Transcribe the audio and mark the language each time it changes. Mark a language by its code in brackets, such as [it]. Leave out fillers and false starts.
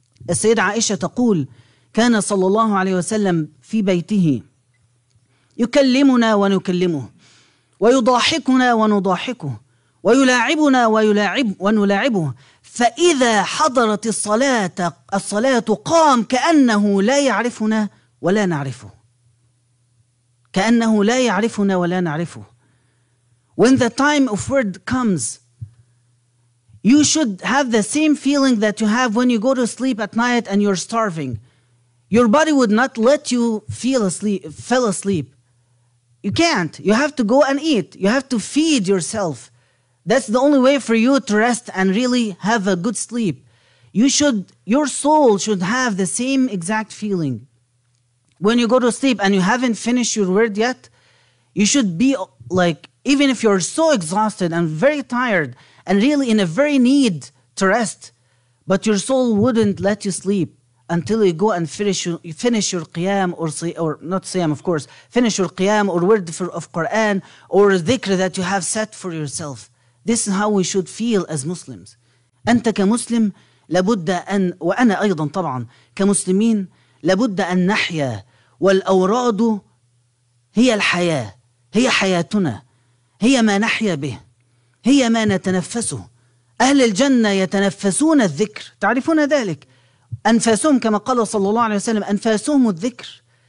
[ar] السيدة عائشة تقول كان صلى الله عليه وسلم في بيته يكلمنا ونكلمه ويضاحكنا ونضاحكه ويلاعبنا ونلاعبه، فإذا حضرت الصلاة قام كأنه لا يعرفنا ولا نعرفه، كأنه لا يعرفنا ولا نعرفه. [en] When the time of word comes, you should have the same feeling that you have when you go to sleep at night and you're starving. Your body would not let you fall asleep. You can't. You have to go and eat. You have to feed yourself. That's the only way for you to rest and really have a good sleep. Your soul should have the same exact feeling. When you go to sleep and you haven't finished your word yet, you should be like, even if you're so exhausted and very tired and really in a very need to rest, but your soul wouldn't let you sleep until you go and finish your qiyam finish your qiyam or word of Quran or dhikr that you have set for yourself. This is how we should feel as Muslims. [ar] أنت كمسلم لابد أن، وأنا أيضا طبعا كمسلمين لابد أن نحيا، والأوراد هي الحياة، هي حياتنا، هي ما نحيا به، هي ما نتنفسه. أهل الجنة يتنفسون الذكر، تعرفون ذلك، أنفاسهم كما قال صلى الله عليه وسلم أنفاسهم الذكر.